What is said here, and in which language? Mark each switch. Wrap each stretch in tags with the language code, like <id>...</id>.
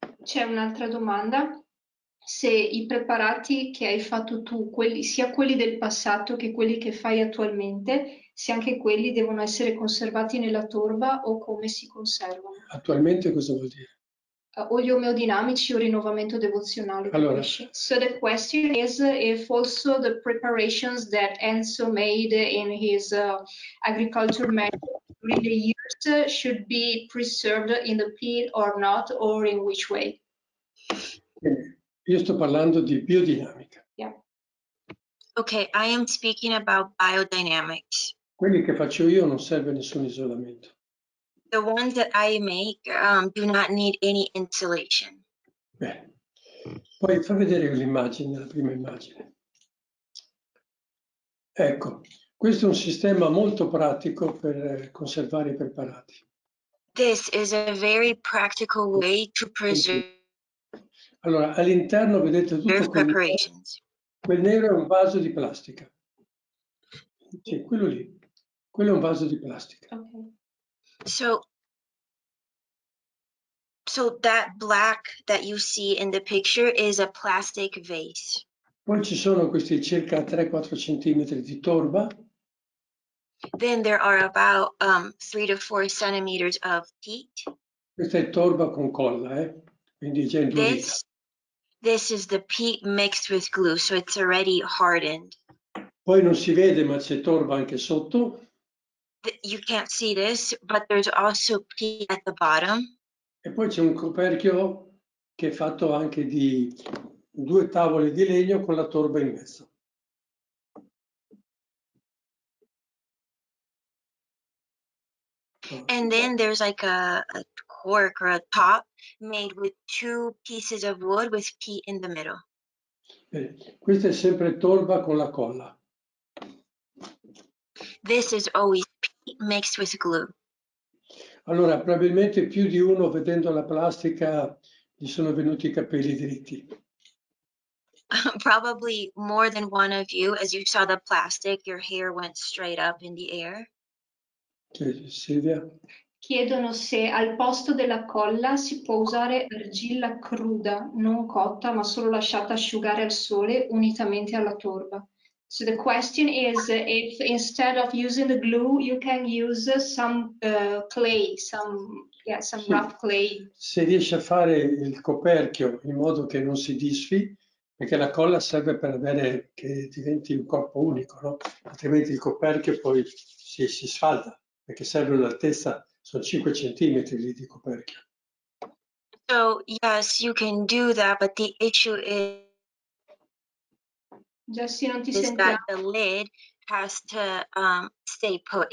<it>C'è un'altra domanda. Se i preparati che hai fatto tu, quelli, sia quelli del passato che quelli che fai attualmente, se anche quelli devono essere conservati nella torba o come si conservano? Attualmente cosa vuol dire? O gli omeodinamici o rinnovamento devozionale. Allora.</it> <en>So the question is if also the preparations that Enzo made in his agriculture method during the years should be preserved in the peat or not, or in which way?</en> <it>Io sto parlando di biodinamica.</it> <en>Yeah. Okay, I am speaking about biodynamics.</en> <it>Quelli che faccio io non serve nessun isolamento.</it> <en>The ones that I make do not need any insulation.</en> <it>Beh, poi fa vedere l'immagine, la prima immagine. Ecco, questo è un sistema molto pratico per conservare i preparati.</it> <en>This is a very practical way to preserve.</en> <it>Allora, all'interno vedete tutto</it> <en>preparations.</en> <it>Quel nero è un vaso di plastica. Che okay, quello lì. Quello è un vaso di plastica. Okay.</it> <en>So that black that you see in the picture is a plastic vase.</en> <it>Poi ci sono questi circa 3-4 centimetri di torba.</it> <en>Then there are about 3-4 centimeters of peat.</en> <it>Questa è torba con colla, Quindi già indurita.</it> <en>This is the peat mixed with glue, so it's already hardened.</en> <it>Poi non si vede, ma c'è torba anche sotto.</it> <en>You can't see this, but there's also peat at the bottom.</en> <it>E poi c'è un coperchio che è fatto anche di due tavole di legno con la torba in mezzo.</it> <en>And then there's like a cork or a top made with two pieces of wood with peat in the middle.</en> <it>Bene. Questa è sempre torba con la colla.</it> <en>This is always peat mixed with glue.</en> <it>Allora, probabilmente più di uno vedendo la plastica gli sono venuti i capelli dritti.</it> <en>Probably more than one of you, as you saw the plastic, your hair went straight up in the air.</en> <it>Silvia. Chiedono se al posto della colla si può usare argilla cruda, non cotta, ma solo lasciata asciugare al sole unitamente alla torba.</it> <en>So the question is if instead of using the glue you can use some clay, some rough clay.</en> <it>Se riesce a fare il coperchio in modo che non si disfi, perché la colla serve per avere che diventi un corpo unico, no? Altrimenti il coperchio poi si sfalda, perché serve un'altezza, sono 5 centimetri lì di coperchio.</it> <en>So yes, you can do that, but the issue is</en> <it>Jessie, non ti</it> <en>is that the lid has to stay put.</en>